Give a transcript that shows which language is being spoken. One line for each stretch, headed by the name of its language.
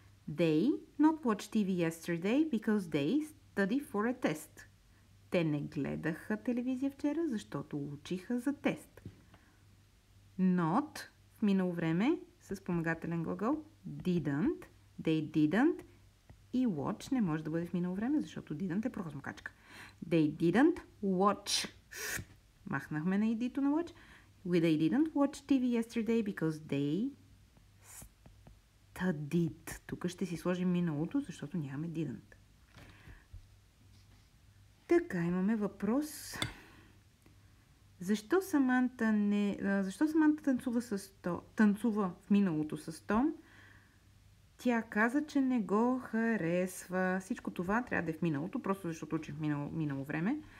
English: They not watch TV yesterday because they study for a test.
Bulgarian: Те не гледаха телевизия вчера, защото учиха за тест. Not, в минало време, с спомагателен глагол, didn't, they didn't, и watch не може да бъде в минало време, защото didn't е прохосмокачка.
English: They didn't watch.
Bulgarian: Махнахме на идито на watch.
English: They didn't watch TV yesterday because they studied.
Bulgarian: Тук ще си сложим миналото, защото нямаме didn't. Така, имаме въпрос. Защо Саманта танцува в миналото с Том? Тя каза, че не го харесва. Всичко това трябва да е в миналото, просто защото учим в минало време.